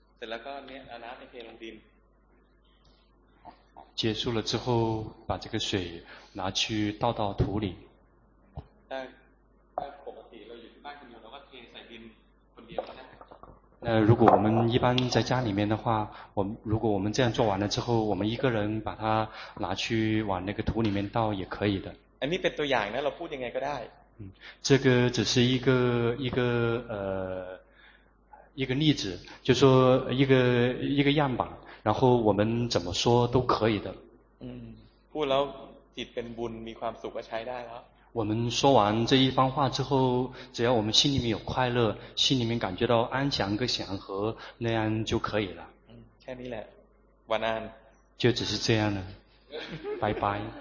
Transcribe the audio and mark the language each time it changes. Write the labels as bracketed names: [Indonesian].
[Thai] แล้วก็เนี่ยเอาน้ำไปเทลงดิน [Chinese] 结束了之后把这个水拿去倒到土里 [Thai] ถ้าปกติเราอยู่บ้านคนเดียวเราก็เทใส่ดินคนเดียวนะ [Chinese] 如果我们一般在家里面的话，我如果我们这样做完了之后，我们一个人把它拿去往那个土里面倒也可以的。 [Thai] อันนี้เป็นตัวอย่างนะเราพูดยังไงก็ได้。 [Chinese] 嗯，这个只是一个例子，就是、说一个样板，然后我们怎么说都可以的。 [Thai] 嗯，พูดแล้วจิตเป็นบุญมีความสุขก็ใช้ได้แล้ว。 [Chinese] 我们说完这一番话之后，只要我们心里面有快乐，心里面感觉到安详跟祥和，那样就可以了。 [Thai] 嗯，แค่นี้แหละ。 [Chinese] 晚安。就只是这样了。拜拜。